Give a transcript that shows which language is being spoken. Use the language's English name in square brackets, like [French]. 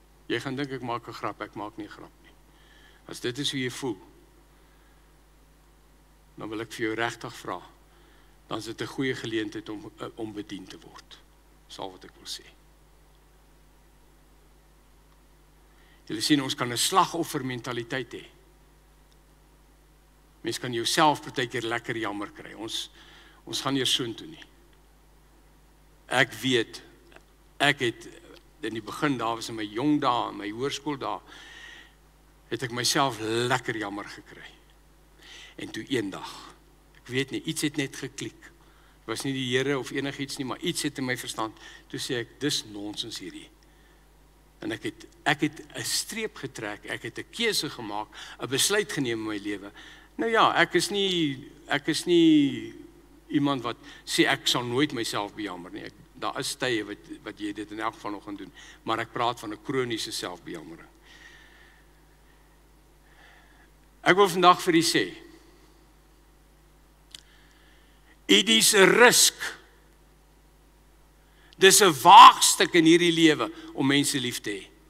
[Afrikaans] Jy gaan denk, ek maak een grap, ek maak nie grap nie. As dit is hoe jy voel, dan wil ek vir jou regtig vra, dan is dit een goeie geleentheid om bediend te word. Dis al wat ek wil sê. Julle sien, ons kan een slagoffer mentaliteit hê. Mens kan jouself partij keer lekker jammer kry. Ons gaan hier soon toe nie. Ek weet, ek het in die begin daar, was in my jong daar, in my hoërskool daar, het ek myself lekker jammer gekry. En toe een dag, ek weet nie, iets het net geklik. Het was nie die Here of enig iets nie, maar iets het in my verstand. Toe sê ek, dis nonsens hierdie. En ek het een streep getrek, ek het een keuse gemaak, een besluit geneem in my leven. Nou ja, ek is nie iemand wat sê, ek sal nooit myself bejammer nie. Daar is tye wat jy dit in elk geval nog gaan doen. Maar ek praat van een kroniese selfbejammering. Ek wil vandag vir u sê, [English] it is a risk. [Afrikaans] Dis een waagstuk in hierdie lewe om mense lief te hê.